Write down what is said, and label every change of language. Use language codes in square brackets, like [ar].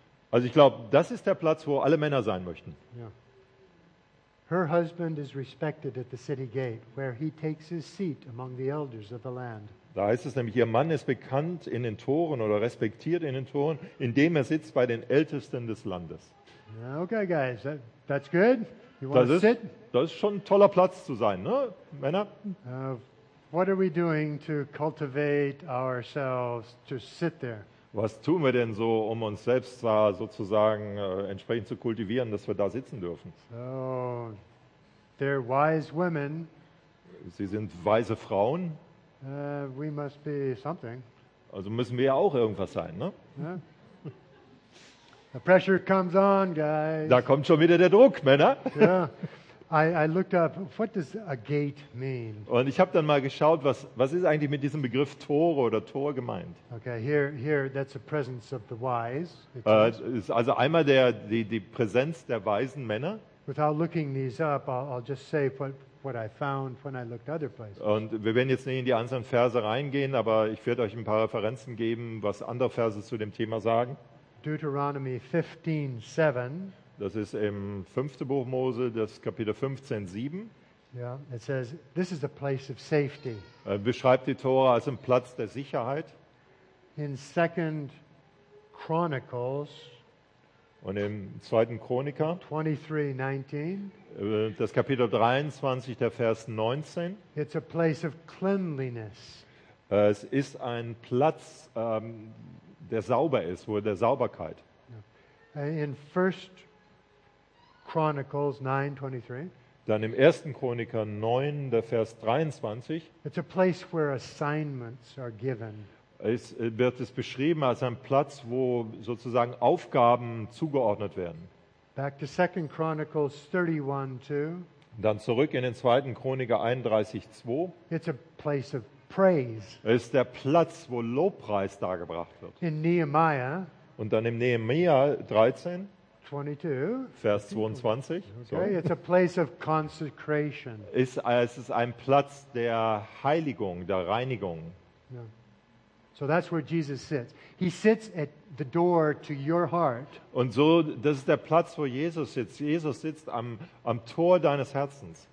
[de] Also ich glaube, das ist der Platz, wo alle Männer sein möchten. [en] Yeah. Her husband is respected at the city gate, where he takes his seat among the elders of the land. [de] Da heißt es nämlich, ihr Mann ist bekannt in den Toren oder respektiert in den Toren, indem er sitzt bei den Ältesten des Landes. [en] Okay, guys, that's good. [de] Das ist schon ein toller Platz zu sein, ne, Männer? [en] What are we doing to cultivate ourselves to sit there? [de] Was tun wir denn so, um uns selbst da sozusagen entsprechend zu kultivieren, dass wir da sitzen dürfen? [en] So, they're wise women. [de] Sie sind weise Frauen. [en] We must be something. [de] Also müssen wir ja auch irgendwas sein, ne? [en] Yeah. The pressure comes on, guys. [de] Da kommt schon wieder der Druck, Männer. [en] I looked up, what does a gate mean? [de] Und ich habe dann mal geschaut, was ist eigentlich mit diesem Begriff Tore oder Tor gemeint? [en] Okay, here that's a presence of the wise. [de] Ist also einmal die Präsenz der weisen Männer. [en] Without looking these up, I'll just say what I found when I looked other places. [de] Und wir werden jetzt nicht in die einzelnen Verse reingehen, aber ich werde euch ein paar Referenzen geben, was andere Verse zu dem Thema sagen. [en] Deuteronomy 15:7. [de] Das ist im 5. Buch Mose, das Kapitel 15:7. [en] Ja, it says this is a place of safety. [de] Beschreibt die Tora als einen Platz der Sicherheit. [en] In 2. Chronicles [de] und im 2. Chroniker [en] 23:19. [de] Das Kapitel 23, der Vers 19. [en] It's a place of cleanliness. [de] Es ist ein Platz, der sauber ist, wo der Sauberkeit. [en] In 1. Chronicles 9:23. [de] Dann im 1. Chroniker 9, der Vers 23. [en] It's a place where assignments are given. [de] Es wird es beschrieben als ein Platz, wo sozusagen Aufgaben zugeordnet werden. [en] Back to 2 Chronicles 31:2. [de] Dann zurück in den 2. Chroniker 31:2. [en] It's a place of praise. [de] Es ist der Platz, wo Lobpreis dargebracht wird. [en] In Nehemiah. [de] Und dann im Nehemiah 13. 22. Vers 22. [en] Okay, so. It's a place of consecration. [de] Es ist ein Platz der Heiligung, der Reinigung. [en] Yeah. So that's where Jesus sits. He sits at the door to your heart. [de] Und so, das ist der Platz, wo Jesus sitzt. Jesus sitzt am Tor deines Herzens.